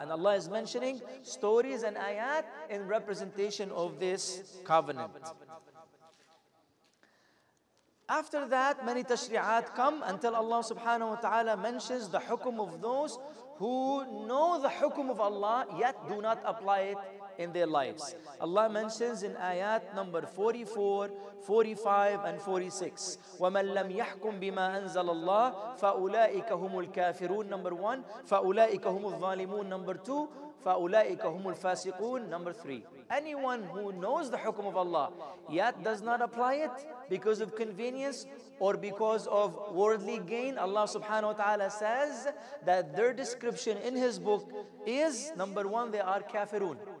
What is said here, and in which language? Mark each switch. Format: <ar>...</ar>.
<en>And Allah is mentioning stories and ayat in representation of this covenant. After that, many tashri'at come until Allah subhanahu wa ta'ala mentions the hukum of those who know the hukum of Allah yet do not apply it in their lives. Allah mentions in ayat number 44, 45, and 46,</en> <ar>وَمَنْ لَمْ يَحْكُمْ بِمَا أَنْزَلَ اللَّهِ فَأُولَٰئِكَ هُمُ الْكَافِرُونَ.</ar> <en>Number one,</en> <ar>فَأُولَٰئِكَ هُمُ الظَّالِمُونَ.</ar> <en>Number two,</en> <ar>فَأُولَٰئِكَ هُمُ الْفَاسِقُونَ.</ar> <en>Number three, anyone who knows the hukum of Allah yet does not apply it because of convenience or because of worldly gain, Allah subhanahu wa ta'ala says that their description in his book is, number one, they are kafirun.</en>